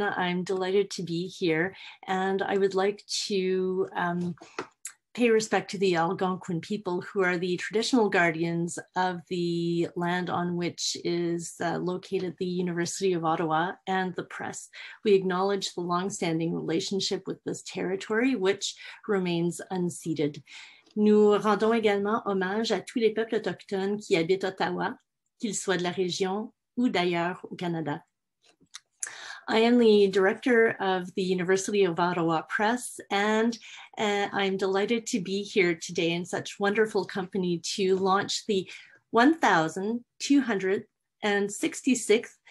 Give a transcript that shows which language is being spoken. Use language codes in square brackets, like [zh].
[en] I'm delighted to be here, and I would like to pay respect to the Algonquin people, who are the traditional guardians of the land on which is located the University of Ottawa and the press. We acknowledge the longstanding relationship with this territory, which remains unceded. [fr] Nous rendons également hommage à tous les peuples autochtones qui habitent Ottawa, qu'ils soient de la région ou d'ailleurs au Canada. [en] I am the director of the University of Ottawa Press, and I'm delighted to be here today in such wonderful company to launch the 1266th